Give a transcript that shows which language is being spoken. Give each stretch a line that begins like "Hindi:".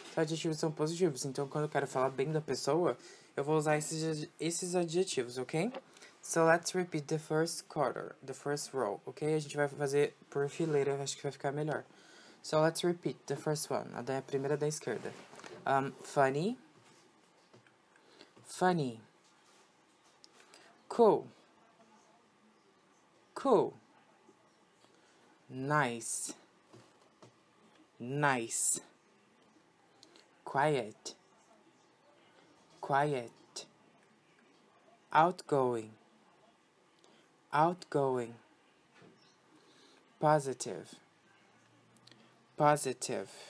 Portuguese: Os adjetivos são positivos, então quando eu quero falar bem da pessoa, eu vou usar esses adjetivos, ok?
English: So let's repeat the first quarter, the first row, ok?
Portuguese: A gente vai fazer por fileira, acho que vai ficar melhor.
English: So let's repeat the first one,
Portuguese: a primeira da esquerda.
English: Funny. Funny. Cool. Cool. Nice. Nice. Quiet. Quiet. Outgoing. Outgoing. Positive. Positive.